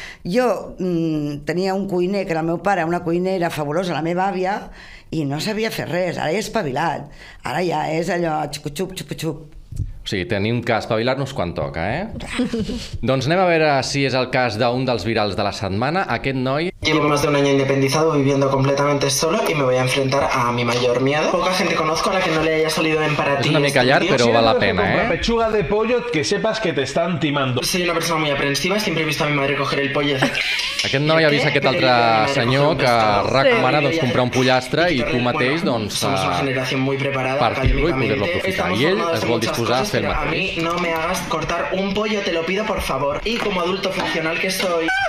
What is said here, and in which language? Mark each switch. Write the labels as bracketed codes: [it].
[ca] Jo tenia un cuiner, que era el meu pare, una cuinera fabulosa, la meva àvia, i no sabia fer res. Ara he espavilat. Ara ja és allò, xucu-xup, xucu-xup. O sigui, tenim que espavilar-nos quan toca, eh? Doncs anem a veure si és el cas d'un dels virals de la setmana. Aquest noi... [es] Llevo más de un año independizado viviendo completamente solo y me voy a enfrentar a mi mayor miedo. Poca gente conozco a la que no le haya salido en para ti. Es una mica llar, pero vale la pena, ¿eh? Pechuga de pollo que sepas que te están timando. Soy una persona muy aprensiva, siempre he visto a mi madre coger el pollo. [ca] Aquest noi ha vist aquest altre senyor que recomana doncs comprar un pollastre i tu mateix doncs partir-lo i poder-lo aprofitar. I ell es vol disposar a fer el mateix. [es] A mi no me hagas cortar un pollo, te lo pido por favor. Y como adulto funcional que soy...